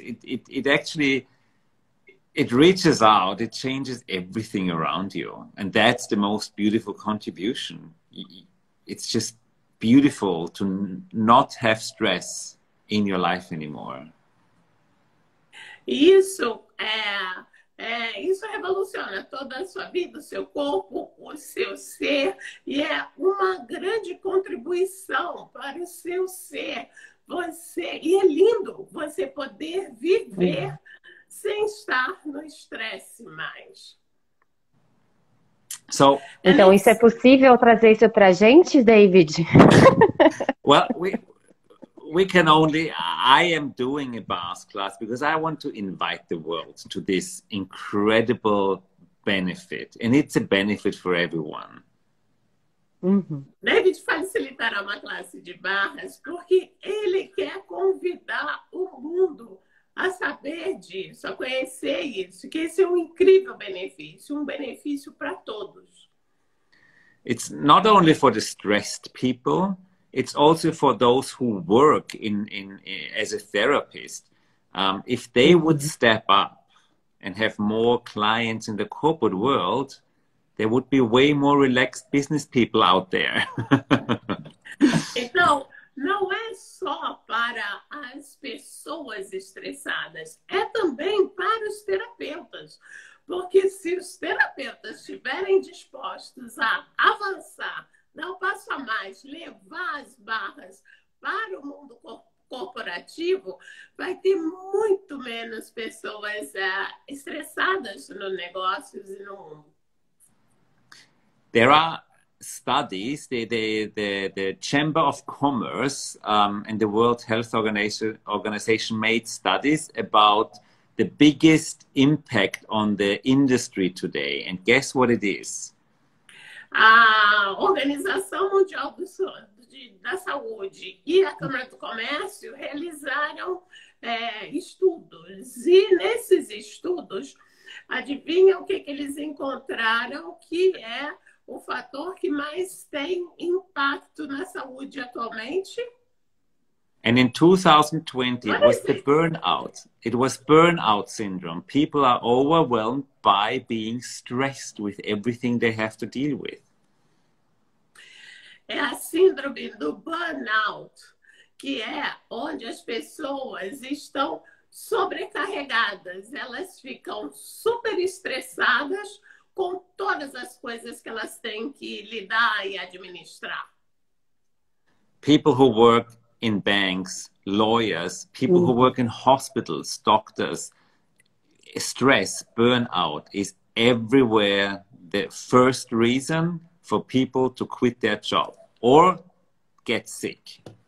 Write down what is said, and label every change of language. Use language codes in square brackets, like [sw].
[en] It actually reaches out, it changes everything around you. And that's the most beautiful contribution. It's just beautiful to not have stress in your life anymore. [pt] Isso é... isso revoluciona toda a sua vida, o seu corpo, o seu ser, e é uma grande contribuição para o seu ser. Você, e é lindo você poder viver sem estar no estresse mais. [en] So, [pt] então, isso é possível trazer isso para a gente, David? [en] Well, we can only, I am doing a bars class because I want to invite the world to this incredible benefit. And it's a benefit for everyone. Uhum. [pt] David facilitará uma classe de barras porque ele quer convidar o mundo a saber disso, a conhecer isso, que esse é um incrível benefício, um benefício para todos. [en] It's not only for the stressed people. It's also for those who work in as a therapist. If they would step up and have more clients in the corporate world, there would be way more relaxed business people out there. [pt] Então, não é só para as pessoas estressadas, é também para os terapeutas. Porque se os terapeutas estiverem dispostos a avançar, não passa mais levar as barras para o mundo corporativo, vai ter muito menos pessoas estressadas no negócio e no mundo. [en] There are studies, the Chamber of Commerce and the World Health Organization made studies about the biggest impact on the industry today. And guess what it is? [pt] A Organização Mundial da Saúde e a Câmara do Comércio realizaram estudos. E nesses estudos, adivinha o que que eles encontraram que é o fator que mais tem impacto na saúde atualmente? [en] And in 2020, [pt] Não [en] it was the [pt] é [en] burnout. It was burnout syndrome. People are overwhelmed by being stressed with everything they have to deal with. [pt] a síndrome do burnout, que é onde as pessoas estão sobrecarregadas, elas ficam super estressadas com todas as coisas que elas têm que lidar e administrar. [en] People who work in banks, lawyers, people who work in hospitals, doctors, stress, burnout is everywhere the first reason for people to quit their job or get sick.